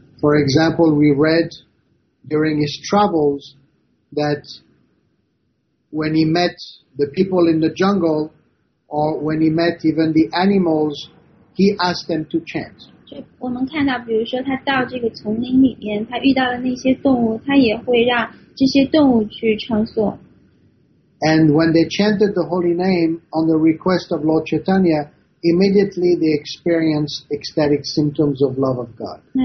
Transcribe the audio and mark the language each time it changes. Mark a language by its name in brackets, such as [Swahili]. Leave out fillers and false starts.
[English] For example, we read during his travels that when he met the people in the jungle, or when he met even the animals, he asked them to chant. [Chinese] 我们看到，比如说他到这个丛林里面，他遇到了那些动物，他也会让这些动物去唱诵。 [English] And when they chanted the holy name on the request of Lord Chaitanya, immediately they experienced ecstatic symptoms of love of God.